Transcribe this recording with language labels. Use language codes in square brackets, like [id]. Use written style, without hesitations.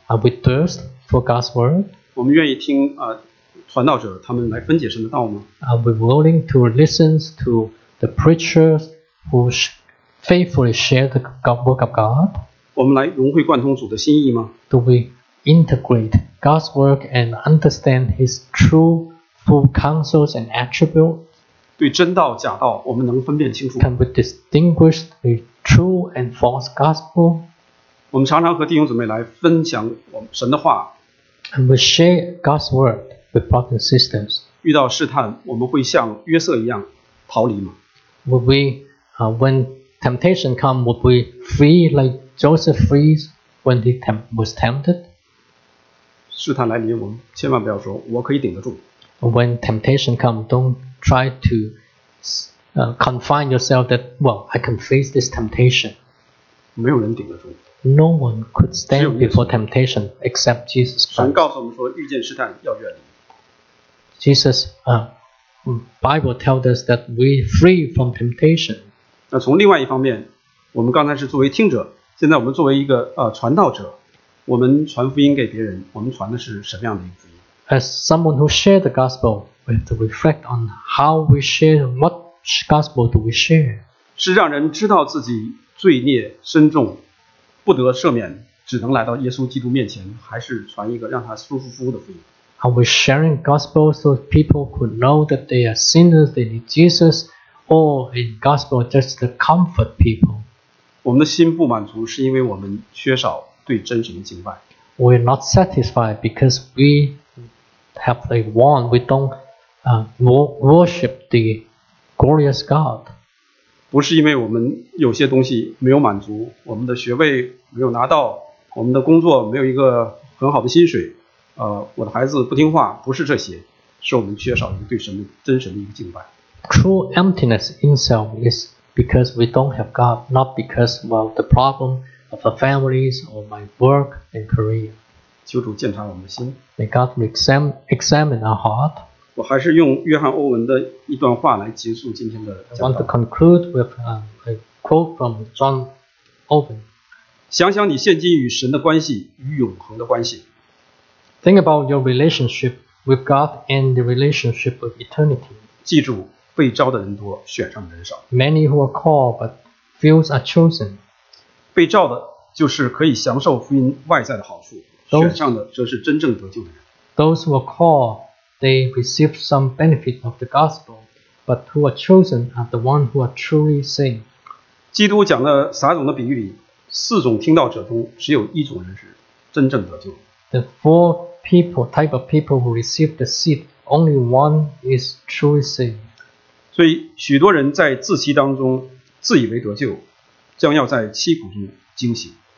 [en] Are we thirst for God's word? [zh] 我们愿意听传道者他们来分解神的道吗？ [en] Are we willing to listen to the preachers who faithfully share the work of God? [zh] 我们来融会贯通主的心意吗？ [en] Do we integrate God's work and understand His true full counsels and attributes? [zh] 对真道假道我们能分辨清楚？ [en] Can we distinguish the true and false gospel? [zh] 我们常常和弟兄姊妹来分享神的话。 [en] And we share God's word with brothers and sisters. [zh] 遇到试探我们会像约瑟一样逃离吗？ [en] Would we, when temptation come, would we flee like Joseph flees when he was tempted? [zh] 试探来临我们千万不要说我可以顶得住。 [en] When temptation come, don't try to confine yourself that, well, I can face this temptation. [zh] 没有人顶得住。 [en] No one could stand before temptation except Jesus Christ. [zh] 神告诉我们说遇见试探要远离。 [en] Jesus, Bible tells us that we free from temptation. [zh] 那从另外一方面，我们刚才是作为听者，现在我们作为一个传道者，我们传福音给别人，我们传的是什么样的一个福音？ [en] As someone who share the gospel, we have to reflect on how we share, what gospel do we share? [zh] 是让人知道自己罪孽深重，不得赦免，只能来到耶稣基督面前，还是传一个让他舒舒服服的福音？ [en] Are we sharing gospel so people could know that they are sinners, they need Jesus, or in gospel just to comfort people? [zh] 我们的心不满足是因为我们缺少对真神的敬拜。 [en] We're not satisfied because we have a want. We don't worship the glorious God. [zh] 不是因为我们有些东西没有满足，我们的学位没有拿到，我们的工作没有一个很好的薪水，我的孩子不听话，不是这些，是我们缺少一个对神的真神的一个敬拜。 [en] True emptiness in self is because we don't have God, not because of the problem. Of our families, or my work and career. [zh] 求主检查我们的心。 [en] May God examine our heart. [zh] 我还是用约翰·欧文的一段话来结束今天的讲道。 [en] I want to conclude with a quote from John Owen. [zh] 想想你现今与神的关系，与永恒的关系。 [en] Think about your relationship with God and the relationship with eternity. [zh] 记住，被召的人多，选上的人少。 [en] Many who are called, but few are chosen. [zh] 被召的就是可以享受福音外在的好处，选上的则是真正得救的人。 [en] Those who are called, they receive some benefit of the gospel, but who are chosen are the one who are truly saved. [zh] 基督讲的撒种的比喻里，四种听道者中只有一种人是真正得救。 [en] The four people, type of people who receive the seed, only one is truly saved. [zh] 所以许多人在自欺当中自以为得救，将要在凄苦中惊醒。